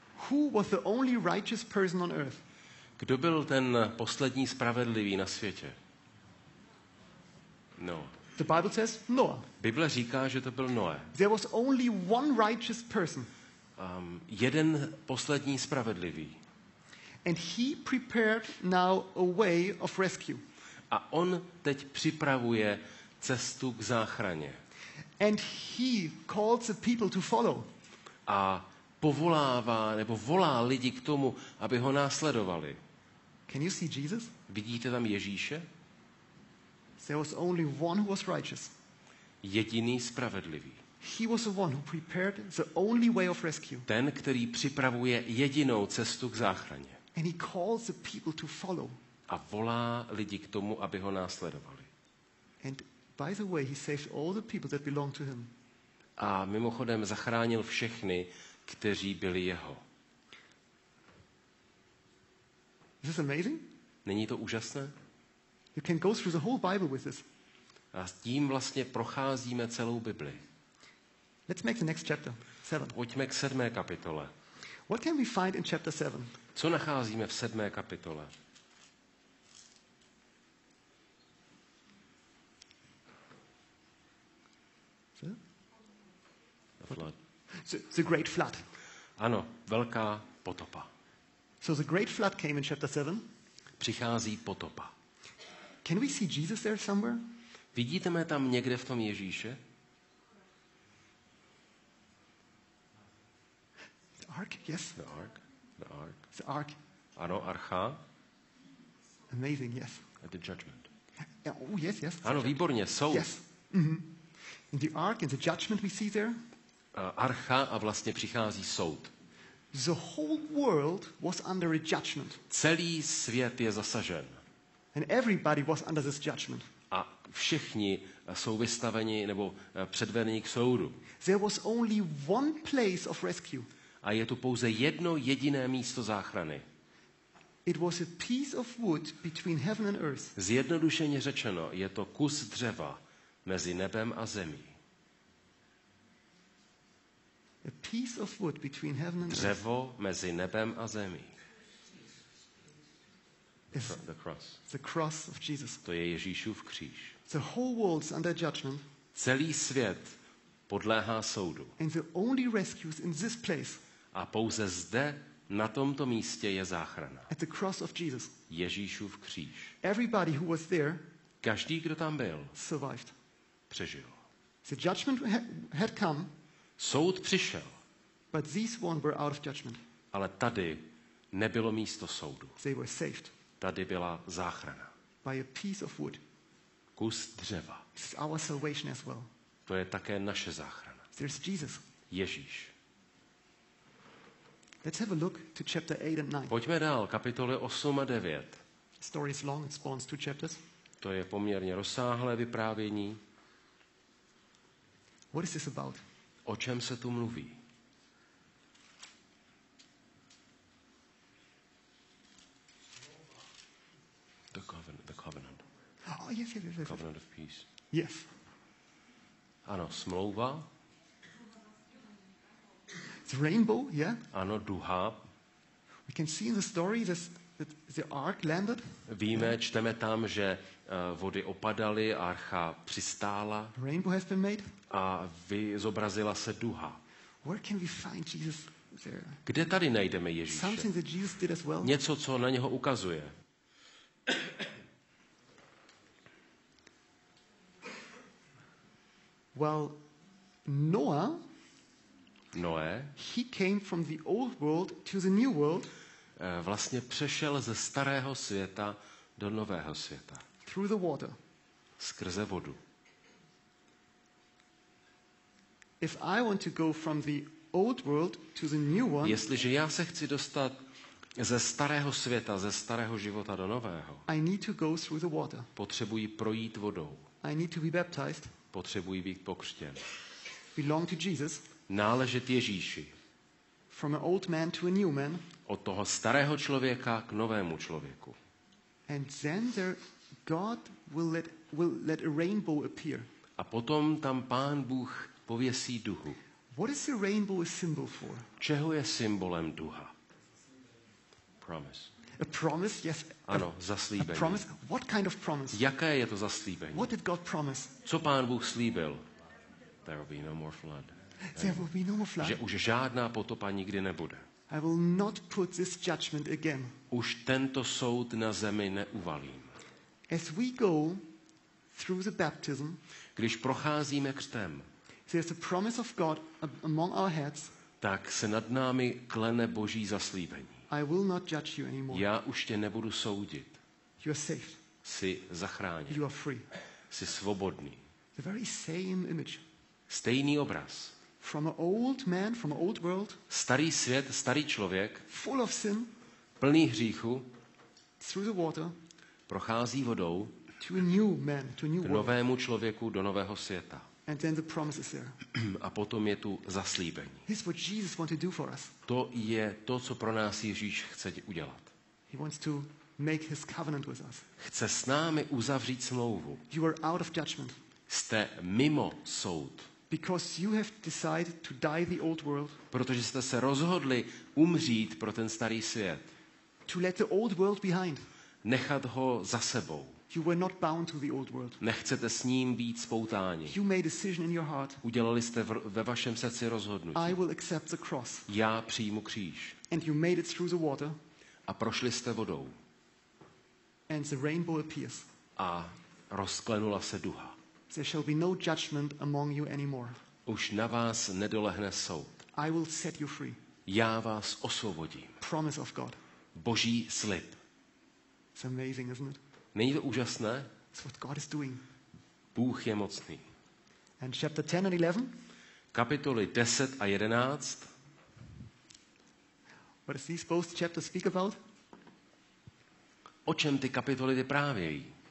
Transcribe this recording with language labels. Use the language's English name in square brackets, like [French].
[English] Who was the only righteous person on earth? [Czech] Kdo byl ten poslední spravedlivý na světě? [English] No. The Bible says Noah. [Czech] Bible říká, že to byl Noé. [English] There was only one righteous person. [Czech] Jeden poslední spravedlivý. [English] And he prepared now a way of rescue. [Czech] A on teď připravuje cestu k záchraně. [English] And he calls the people to follow. [Czech] A povolává nebo volá lidi k tomu, aby ho následovali. [English] Can you see Jesus? [Czech] Vidíte tam Ježíše? [English] There was only one who was righteous. [Czech] Jediný spravedlivý. [English] He was the one who prepared the only way of rescue. [Czech] Ten, který připravuje jedinou cestu k záchraně. [English] And he calls the people to follow. [Czech] A volá lidi k tomu, aby ho následovali. [English] And by the way, he saved all the people that belonged to him. [Czech] A mimochodem zachránil všechny, kteří byli jeho. [English] Is this amazing? [Czech] Není to úžasné? [English] You can go through the whole Bible with this. [Czech] A s tím vlastně procházíme celou Bibli. [English] Let's make the next chapter 7. [Czech] Pojďme k 7. kapitole. [English] What can we find in chapter 7? [Czech] Co nacházíme v 7. kapitole? [English] Flood. The great flood. [Czech] Ano, velká potopa. [English] So the great flood came in chapter 7. [Czech] Přichází potopa. [English] Can we see Jesus there somewhere? [Czech] Vidíte mě tam někde v tom Ježíše? [English] Ark, yes. The ark. The ark. [Czech] Ano, archa. [English] Amazing, yes. At the judgment. Oh, yes, yes. [Czech] Ano, výborně, soud. [English] Yes. Mm-hmm. In the ark, in the judgment we see there. [Czech] Archa a vlastně přichází soud. [English] The whole world was under a judgment. [Czech] Celý svět je zasažen. [English] And everybody was under this judgment. [Czech] A všichni jsou vystaveni nebo předvedeni k soudu. [English] There was only one place of rescue. [Czech] A je tu pouze jedno jediné místo záchrany. [English] It was a piece of wood between heaven and earth. [Czech] Zjednodušeně řečeno, je to kus dřeva mezi nebem a zemí. [English] A piece of wood between heaven and earth. [Czech] Dřevo mezi nebem a zemí. [English] The cross. The cross of Jesus. [Czech] To je Ježíšův kříž. [English] The whole world's under judgment. [Czech] Celý svět podléhá soudu. [English] And the only rescue is in this place. [Czech] A pouze zde, na tomto místě je záchrana. [English] At the cross of Jesus. [Czech] Ježíšův kříž. [English] Everybody who was there. [Czech] Každý, kdo tam byl. [English] Survived. [Czech] Přežil. [English] The judgment had come. [Czech] Soud přišel. [English] But these ones were out of judgment. [Czech] Ale tady nebylo místo soudu. [English] They were saved. [Czech] Tady byla záchrana. [English] By a piece of wood. [Czech] Kus dřeva. [English] This is our salvation as well. [Czech] To je také naše záchrana. [English] There's Jesus. [Czech] Ježíš. [English] Let's have a look to chapter 8 and 9. [Czech] Pojďme dál, kapitoly 8 a 9. [English] The story is long, it spawns two chapters. [Czech] To je poměrně rozsáhlé vyprávění. [English] What is this about? [Czech] O čem se tu mluví? [English] The covenant. Oh, yes. Covenant of peace. Yes. [Czech] Ano, smlouva. [English] The rainbow, yeah? [Czech] Ano, duha. [English] We can see in the story this, that the ark landed. [Czech] Víme, čteme tam, že vody opadaly, archa přistála. [English] Rainbow has been made. [Czech] A vyzobrazila se duha. [English] Where can we find Jesus there? [Czech] Kde tady najdeme Ježíše? [English] Something that Jesus did as well. [Czech] Něco, co na něho ukazuje. [English] Well, Noé, he came from the old world to the new world. [Czech] Vlastně přešel ze starého světa do nového světa. [English] Through the water. [Czech] Skrze vodu. [English] If I want to go from the old world to the new one. [Czech] Jestliže já se chci dostat ze starého světa, ze starého života do nového. [English] I need to go through the water. [Czech] Potřebuji projít vodou. [English] I need to be baptized. [Czech] Potřebuji být pokřtěn. [English] Belong to Jesus. [Czech] Náležet Ježíši. [English] From an old man to a new man. [Czech] Od toho starého člověka k novému člověku. [English] And then there God will let a rainbow appear. [Czech] A potom tam Pán Bůh pověsí duhu. [English] What is the rainbow a symbol for? [Czech] Čeho je symbolem duha? [English] Promise. A promise, yes. [Czech] Ano, zaslíbení. [English] A promise. What kind of promise? [Czech] Jaké je to zaslíbení? [English] What did God promise? [Czech] Co Pán Bůh slíbil? [English] There will be no more flood. There will be no more flood. [Czech] Že už žádná potopa nikdy nebude. [English] I will not put this judgment again. [Czech] Už tento soud na zemi neuvalím. [English] As we go through the baptism, [Czech] když procházíme křtem, [English] there's a promise of God among our heads, [Czech] tak se nad námi klene Boží zaslíbení. [English] I will not judge you anymore. [Czech] Já už tě nebudu soudit. [English] You are safe. [Czech] Jsi zachráněn. [English] You are free. [Czech] Jsi svobodný. [English] The very same image. [Czech] Stejný obraz. [English] From an old man, from an old world. [Czech] Starý svět, starý člověk. [English] Full of sin. [Czech] Plný hříchu. [English] Through the water. [Czech] Prochází vodou. [English] To a new man, to a new world. [Czech] K novému člověku, do nového světa. [English] And then the promise is there. [Czech] A potom je tu zaslíbení. [English] This is what Jesus wants to do for us. [Czech] To je to, co pro nás Ježíš chce udělat. [English] He wants to make his covenant with us. [Czech] Chce s námi uzavřít smlouvu. [English] You are out of judgment. [Czech] Jste mimo soud. [English] Because you have decided to die the old world. [Czech] Protože jste se rozhodli umřít pro ten starý svět. [English] To let the old world behind. [Czech] Nechat ho za sebou. [English] You were not bound to the old world. [Czech] Nechcete s ním být spoutáni. [English] You made a decision in your heart. [Czech] Udělali jste ve vašem srdci rozhodnutí. [English] I will accept the cross. [Czech] Já přijmu kříž. [English] And you made it through the water. [Czech] A prošli jste vodou. [English] And the rainbow appears. [Czech] A rozklenula se duha. [English] There shall be no judgment among you anymore. [Czech] Už na vás nedolehne soud. [English] I will set you free. [Czech] Já vás osvobodím. [English] Promise of God. [Czech] Boží slib. [English] It's amazing, isn't it? [Czech] Není to úžasné? [English] It's what God is doing. [Czech] Bůh je mocný. [English] And chapter 10 and 11. [Czech] Kapitoly 10 a 11. [English] What is these both chapters speak about? [Czech] O čem ty kapitoly vyprávějí?